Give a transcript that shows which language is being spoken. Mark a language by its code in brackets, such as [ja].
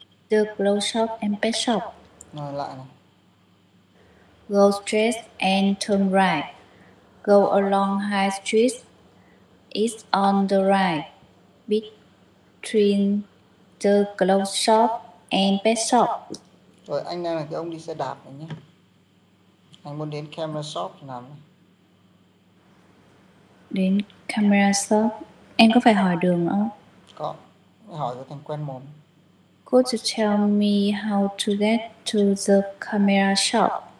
[en] The clothes shop and pet shop. [vi] Rồi lại này. [en] Go straight and turn right. Go along High Street. It's on the right between the clothes shop and pet shop. [vi] Rồi anh đang là cái ông đi xe đạp này nhé. Anh muốn đến camera shop làm. Đến camera shop. Em có phải hỏi đường không? Có. Hỏi cho thằng quen mồm. [en] Could you tell me how to get to the camera shop?